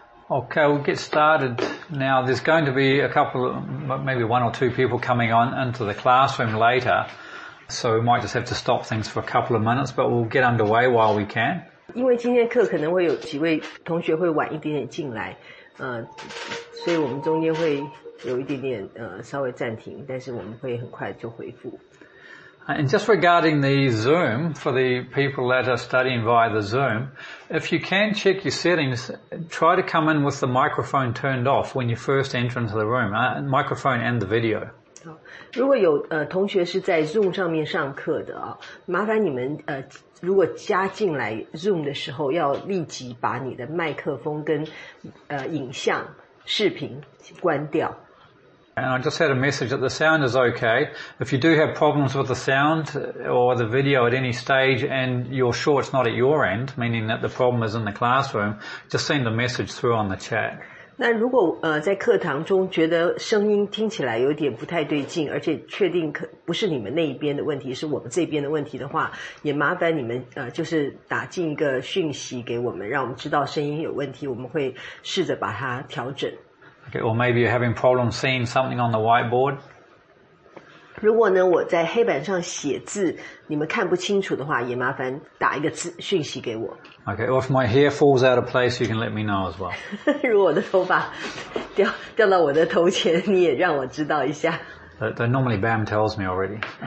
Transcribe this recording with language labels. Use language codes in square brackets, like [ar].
[en] Okay, we'll get started now. There's going to be a couple of, maybe one or two people coming on into the classroom later, so we might just have to stop things for a couple of minutes, but we'll get underway while we can. [zh] 因为今天课可能会有几位同学会晚一点点进来，所以我们中间会有一点点稍微暂停，但是我们会很快就回复。 [en] And just regarding the Zoom, for the people that are studying via the Zoom, if you can check your settings, try to come in with the microphone turned off when you first enter into the room, microphone and the video. [zh] 如果有同学是在 Zoom 上面上课的，麻烦你们如果加进来 Zoom 的时候，要立即把你的麦克风跟影像、视频关掉。 [en] And I just had a message that the sound is okay. If you do have problems with the sound or the video at any stage and you're sure it's not at your end, meaning that the problem is in the classroom, just send a message through on the chat. [zh] 那如果在课堂中觉得声音听起来有点不太对劲，而且确定不是你们那一边的问题，是我们这边的问题的话，也麻烦你们就是打进一个讯息给我们，让我们知道声音有问题，我们会试着把它调整。 [en] Okay, or maybe you're having problems seeing something on the whiteboard. [zh] 如果呢我在黑板上写字你们看不清楚的话也麻烦打一个字讯息给我。 [en] Okay, or if my hair falls out of place, you can let me know as well. [zh] 如果我的头发掉到我的头前你也让我知道一下。 [en] But normally Bam tells me already.